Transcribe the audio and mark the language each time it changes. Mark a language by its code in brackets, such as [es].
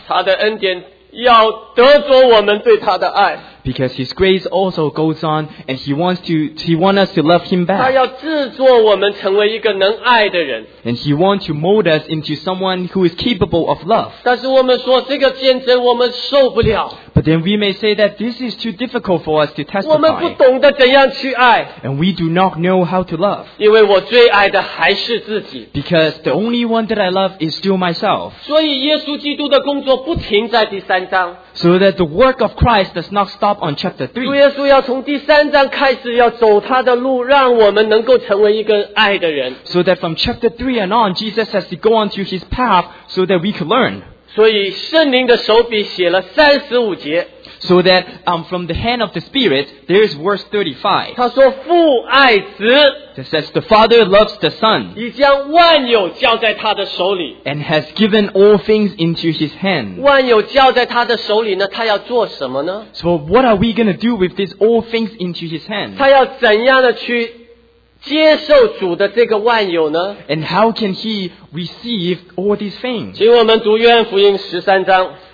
[zh] 他的恩典要得着我们对他的爱。 [en] Because his grace also goes on and he wants us to love him back. [zh] 他要制作我们成为一个能爱的人。 [en] And he wants to mold us into someone who is capable of love. [zh] 但是我们说这个见证我们受不了。 [en] But then we may say that this is too difficult for us to testify. [zh] 我们不懂得怎样去爱。 [en] And we do not know how to love. [zh] 因为我最爱的还是自己。 [en] Because the only one that I love is still myself. [zh] 所以耶稣基督的工作不停在第三章。 [en] So that the work of Christ does not stop on chapter 3. [zh] 主耶稣要从第三章开始要走他的路，让我们能够成为一个爱的人。 [en] So that from chapter 3 and on, Jesus has to go on to his path so that we can learn. [zh] 所以圣灵的手笔写了35节。 [en] So that from the hand of the Spirit, there is verse 35. [zh] 他说父爱子。 [en] It says the Father loves the Son. [zh] 已将万有交在他的手里。 [en] And has given all things into his hand. [zh] 万有交在他的手里呢，他要做什么呢？ [en] So what are we going to do with these all things into his hand? [zh] 他要怎样的去接受主的这个万有呢？ [en] And how can he receive all these things? [zh] 请我们读约翰福音十三章。